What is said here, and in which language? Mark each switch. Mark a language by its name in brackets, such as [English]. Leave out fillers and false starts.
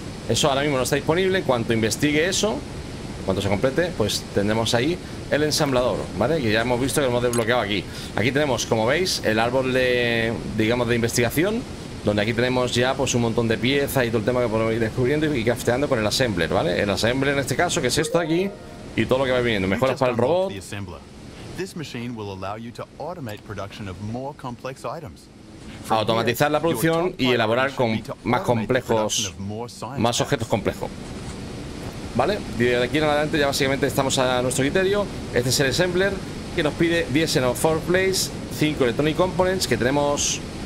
[Spanish] Eso ahora mismo no está disponible. En cuanto investigue eso, cuando se complete, pues tendremos ahí el ensamblador, ¿vale? Que ya hemos visto que lo hemos desbloqueado aquí. Aquí tenemos, como veis, el árbol de, digamos, de investigación, donde aquí tenemos ya, pues, un montón de piezas y todo el tema que podemos ir descubriendo y crafteando con el assembler, ¿vale? El assembler en este caso, que es esto de aquí, y todo lo que va viniendo. Mejoras para el robot. [English] This machine will allow you to automate production of more complex items. [Spanish] A automatizar la producción y elaborar con más complejos, más objetos complejos. ¿Vale? Y de aquí en adelante ya básicamente estamos a nuestro criterio. Este es el assembler que nos pide 10 Xenon 4 Plates, 5 Electronic Components, que tenemos.